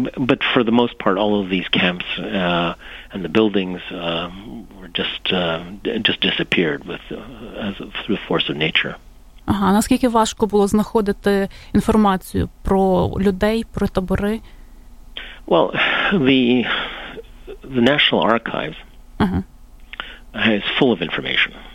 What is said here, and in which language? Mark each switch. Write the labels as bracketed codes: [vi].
[en] But for the most part, all of these camps and the buildings were just disappeared through force of nature. [uk] Ага, наскільки важко було знаходити інформацію про людей, про табори? [en] Well, the National Archives is full of information.